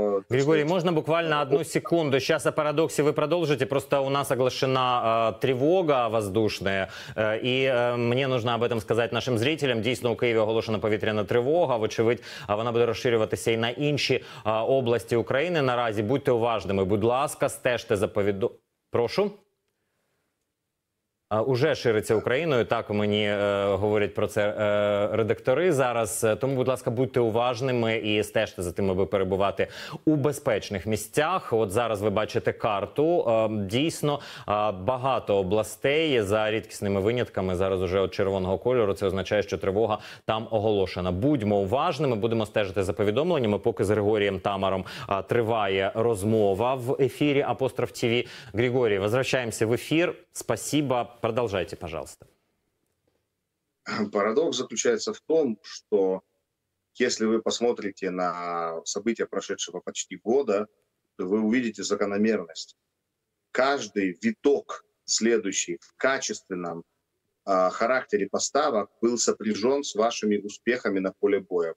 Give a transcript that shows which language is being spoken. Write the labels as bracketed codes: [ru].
[ru] Григорий, можно буквально одну секунду? Сейчас о парадоксе вы продолжите, просто у нас оглашена тревога воздушная, и мне нужно об этом сказать нашим зрителям. [uk] Дійсно, у Києві оголошена повітряна тривога, вочевидь, вона буде розширюватися і на інші області України наразі. Будьте уважними, будь ласка, стежте за повідомленням. Прошу. Уже шириться Україною, так мені говорять про це редактори зараз. Тому, будь ласка, будьте уважними і стежте за тим, аби перебувати у безпечних місцях. От зараз ви бачите карту. Дійсно, багато областей за рідкісними винятками зараз уже от червоного кольору. Це означає, що тривога там оголошена. Будьмо уважними, будемо стежити за повідомленнями. Поки з Григорієм Тамаром триває розмова в ефірі «Апостроф ТВ». Григорій, возвращаємося в ефір. [ru] Спасибо. Продолжайте, пожалуйста. Парадокс заключается в том, что если вы посмотрите на события прошедшего почти года, то вы увидите закономерность. Каждый виток следующий в качественном характере поставок был сопряжен с вашими успехами на поле боя.